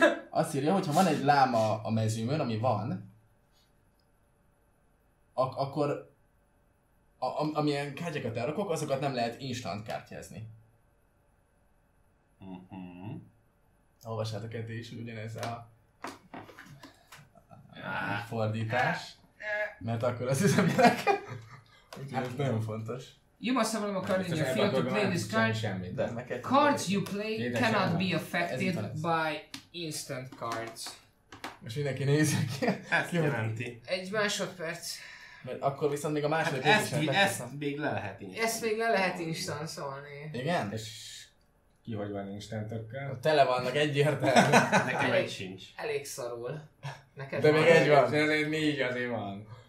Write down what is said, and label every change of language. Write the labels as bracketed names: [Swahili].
[Hungarian] Azt írja, hogy ha van egy láma a mezőmön, ami van, akkor amilyen kártyákat elrakok, azokat nem lehet instant kártyázni. Olvassátok el is, hogy ugyanez a fordítás, mert akkor az üzemjelek. Úgyhogy ez nagyon fontos. [English] You must have a card in your field to play this card. Cards you play cannot be affected by instant cards. [Hungarian] Most mindenki nézze ki. Ezt jelenti. Egy másodperc. Mert akkor viszont még a második hát esetben. Ezt még le lehet instant. Ezt még le lehet instant szólni. Igen? És ki hogy van instantokkal? Tele vannak egyértelmű. Nekem egy sincs. Elég szarul. Neked de még egy van. És ezért négy azért van.